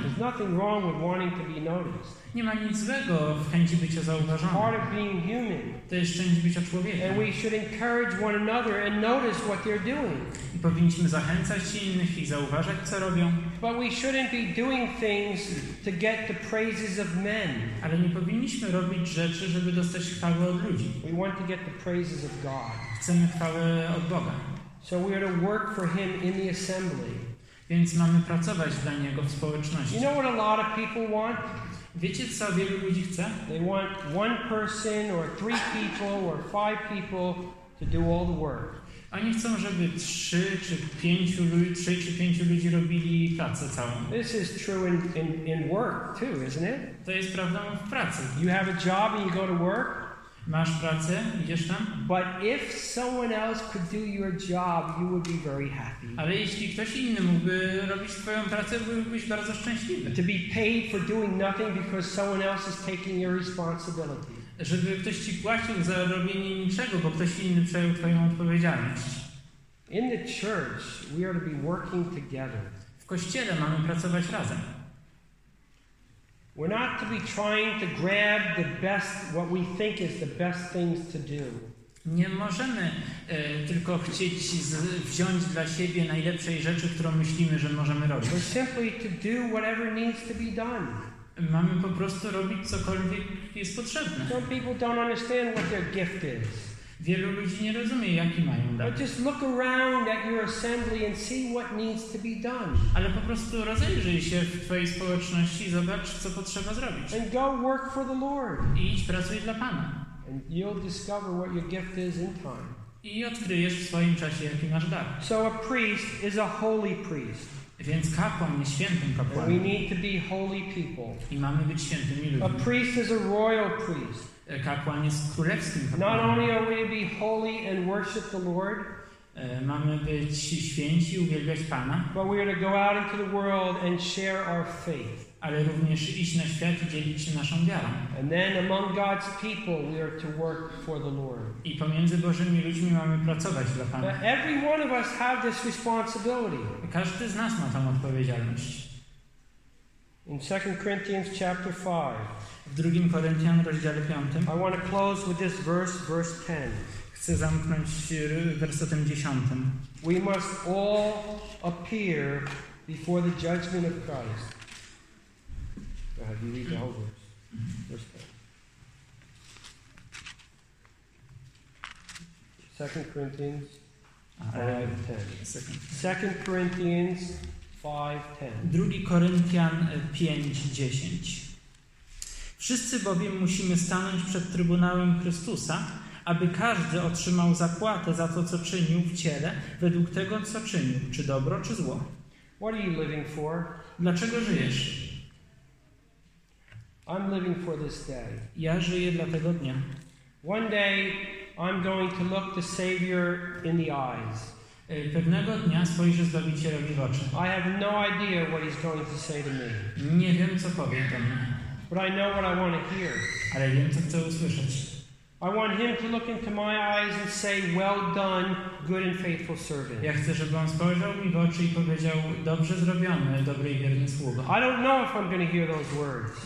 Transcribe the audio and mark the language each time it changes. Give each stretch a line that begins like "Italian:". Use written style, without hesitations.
English: There's nothing wrong with wanting to be noticed.
Polish: Nie ma nic złego w chęci bycia zauważonym.
English: Part of being human.
Polish: To jest część bycia człowiekiem.
English: And we should encourage one another and notice what they're doing.
Polish: I powinniśmy zachęcać innych i zauważać, co robią.
English: But we shouldn't be doing things to get the praises of men.
Polish: Ale nie powinniśmy robić rzeczy, żeby dostać chwały od ludzi.
English: We want to get the praises of God.
Polish: Chcemy chwały od Boga.
English: So we are to work for Him in the assembly.
Polish: Więc mamy pracować dla Niego w społeczności.
English: You know what a lot of people want?
Polish: Wiecie, co wielu ludzi chce?
English: They want one person or three people or five people to do all the work.
Polish: Oni chcą, żeby trzy czy pięciu ludzi robili pracę całą.
English: This is true in work too, isn't it?
Polish: To jest prawdą w pracy.
English: You have a job and you go to work.
Polish: Masz pracę, idziesz tam.
English: But if someone else could do your job, you would be very happy.
Polish: Ale jeśli ktoś inny mógłby robić twoją pracę, byłbyś bardzo szczęśliwy.
English: To be paid for doing nothing because someone else is taking your responsibility.
Polish: Żeby ktoś ci płacił za robienie niczego, bo ktoś inny przejął twoją odpowiedzialność.
English: In the church, we are to be working together.
Polish: W kościele mamy pracować razem.
English: We're not to be trying to grab the best, what we think is the best things to do.
Polish: Nie możemy tylko chcieć wziąć dla siebie najlepszej rzeczy, którą myślimy, że możemy robić.
English: We're simply to do whatever needs to be done.
Polish: Mamy po prostu robić cokolwiek jest potrzebne.
English: Some people don't understand what their gift is.
Polish: Wielu ludzi nie rozumie, jaki mają dar.
English: But just look around at your assembly and see what needs to be done.
Polish: Ale po prostu rozejrzyj się w twojej społeczności i zobacz, co potrzeba zrobić.
English: And go work for the Lord.
Polish: I idź pracuj dla Pana.
English: And you'll discover what your gift is in time.
Polish: I odkryjesz w swoim czasie, jaki masz dar.
English: So a priest is a holy priest.
Polish: Więc kapłan jest świętym kapłanem.
English: We need to be holy people.
Polish: I mamy być świętymi ludźmi.
English: A priest is a royal priest.
Polish: Kapłan jest królewskim kapłanem.
English: Not only are we to be holy and worship the Lord,
Polish: mamy być święci i uwielbiać Pana,
English: but we are to go out into the world and share our faith.
Polish: Ale również iść na świat i dzielić się naszą wiarą.
English: And then among God's people we are to work for the Lord.
Polish: I pomiędzy Bożymi ludźmi mamy pracować dla Pana.
English: But every one of us have this responsibility.
Polish: Każdy z nas ma tą odpowiedzialność.
English: In 2 Corinthians chapter 5.
Polish: W 2 Koryntian, rozdziale 5.
English: I want to close with this verse 10.
Polish: Chcę zamknąć wersetem 10.
English: We must all appear before the judgment of Christ. Go ahead, you read the whole verse. Verse 10. 2 Corinthians 5:10. 2 Corinthians 5:10.
Polish: 2 Koryntian 5:10. Wszyscy bowiem musimy stanąć przed Trybunałem Chrystusa, aby każdy otrzymał zapłatę za to, co czynił w ciele, według tego, co czynił, czy dobro, czy zło.
English: What are you living for?
Polish: Dlaczego żyjesz?
English: I'm living for this day.
Polish: Ja żyję dla tego dnia.
English: One day I'm going to look the Savior in the eyes.
Polish: Pewnego dnia spojrzę Zbawicielowi w oczy.
English: I have no idea what he's going to say to me.
Polish: Nie wiem, co powie do mnie.
English: But I know what I want to hear.
Polish: Ale wiem, co chcę usłyszeć.
English: I want him to look into my eyes and say, "Well done, good and faithful servant."
Polish: Ja chcę, żeby on spojrzał mi w oczy i powiedział, dobrze zrobione, dobry i wierny sługa.
English: I don't know if I'm going to hear those words.